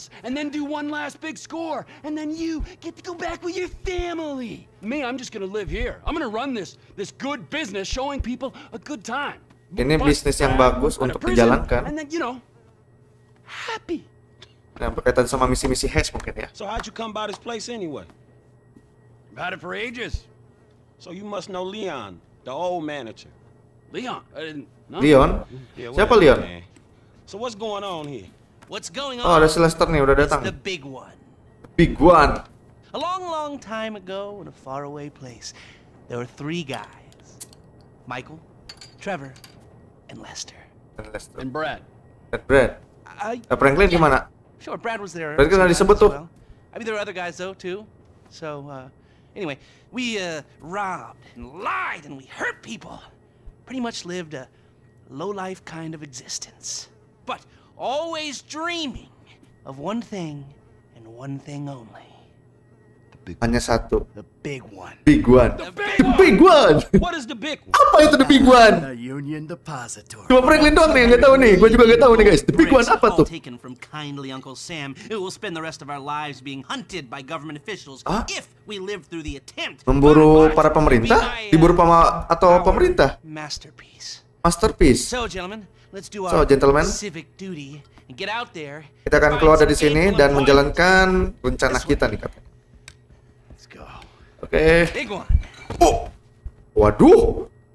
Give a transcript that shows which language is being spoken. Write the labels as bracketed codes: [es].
[en] And then do one last big score and then you get to go back with your family. Me, I'm just going to live here. I'm going to run this good business showing people a good time. [id] Ini bisnis yang bagus untuk dijalankan. [en] And then, you know, happy. [id] Nah, berkaitan sama misi-misi Hess mungkin ya. [en] So how'd you come by this place anyway? About it for ages. So you must know Leon, the old manager. Leon? [id] Leon? Yeah, siapa Leon? [en] So what's going on here? What's going on? [id] Oh, ada Sylvester nih, udah datang. [en] The big one. Big one. A long, long time ago in a faraway place, there were three guys. Michael, Trevor, and Lester. And Brad. And Brad. [id] Franklin di mana? [en] Sure, Brad was there. [id] Brad kan ada disebut tuh. [en] I mean, there are other guys though too. So, anyway, we robbed and lied and we hurt people. Pretty much lived a low-life kind of existence. But always dreaming of one thing and one thing only. [id] Hanya satu. [en] The big one. Big one. The big one. What is the big one? [id] Apa itu [en] the big one? The Union Depository. [id] Cuma Franklin doang nih yang gak tahu nih. Gua juga gak tahu nih guys. [en] The big one [id] apa tuh? [en] Taken from kindly Uncle Sam, who will spend the rest of our lives being hunted by government officials if we live through the attempt. [id] Memburu para pemerintah? Diburu sama atau pemerintah? [en] Masterpiece. Masterpiece. So gentlemen, let's do our civic duty and get out there. [id] Kita akan keluar dari sini dan menjalankan rencana kita nih, Kapten. Oke. Okay. Waduh.